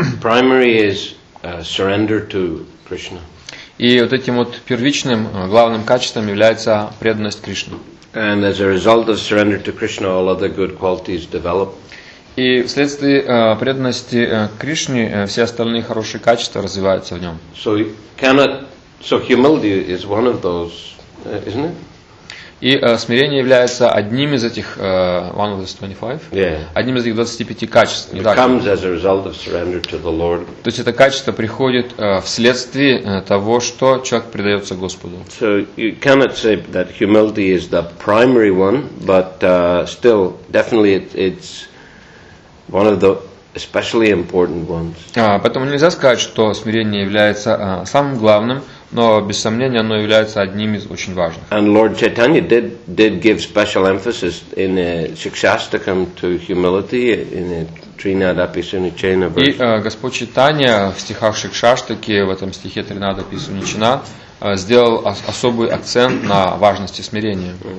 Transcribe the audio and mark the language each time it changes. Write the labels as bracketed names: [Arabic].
[English] Primary is surrender to Krishna. [Russian] И вот этим вот первичным главным качеством является преданность Кришне. [English] And as a result of surrender to Krishna, all other good qualities develop. [Russian] И вследствие преданности Кришне все остальные хорошие качества развиваются в нем. [English] So humility is one of those, isn't it? [Russian] И смирение является одним из этих [English] one of those [Russian] 25. Yeah. Одним из этих 25 качеств. [English] It comes as a result of surrender to the Lord. [Russian] То есть это качество приходит вследствие того, что человек предается Господу. [English] So you cannot say that humility is the primary one, but still definitely it's one of the especially important ones. [Russian] Поэтому нельзя сказать, что смирение является самым главным. Но, без сомнения, оно является одним из очень важных. [English] And Lord Chaitanya did give special emphasis in a Shikshastakam to humility in a Trinadapi Sunichena verse. [Russian] И Господь Чайтанья в стихах Шикшаштаки, в этом стихе Тринадапи Суничина, сделал особый акцент на важности смирения.